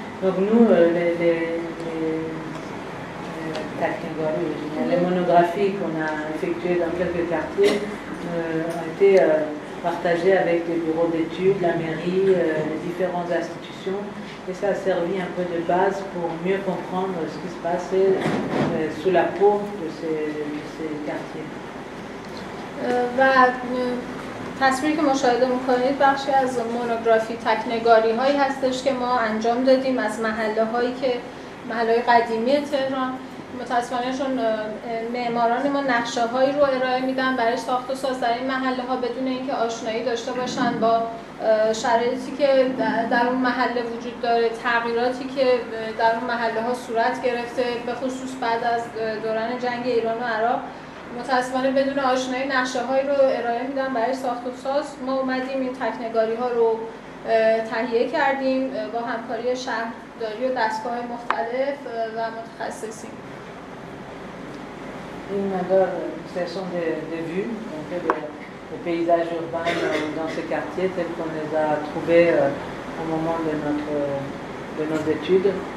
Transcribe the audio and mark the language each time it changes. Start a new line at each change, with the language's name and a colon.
French: Donc nous, les monographies qu'on a effectuées dans quelques quartiers ont été partagées avec les bureaux d'études, la mairie, les différentes institutions. Et ça a servi un peu de base pour mieux comprendre ce qui se passait sous la peau de ces quartiers.
Persian: و تصویری که مشاهده میکنید بخشی از مونوگرافی تکنگاری هایی هستش که ما انجام دادیم از محله هایی که محله های قدیمی تهران. متاسفانهشون معماران ما نقشه هایی رو ارائه میدن برای ساخت و ساز در این محله ها بدون اینکه آشنایی داشته باشن با شرایطی که در اون محله وجود داره، تغییراتی که در اون محله ها صورت گرفته به خصوص بعد از دوران جنگ ایران و عراق. متاسفانه بدون آشنایی نقشه هایی رو ارائه میدن برای ساخت و ساز. ما اومدیم این تکنگاری ها رو تهیه کردیم با همکاری شهرداری و دستگاه های مختلف و متخصصین.
French: Une manœuvre, ce sont des vues, donc les paysages urbains dans ce quartier tels qu'on les a trouvés au moment de nos études.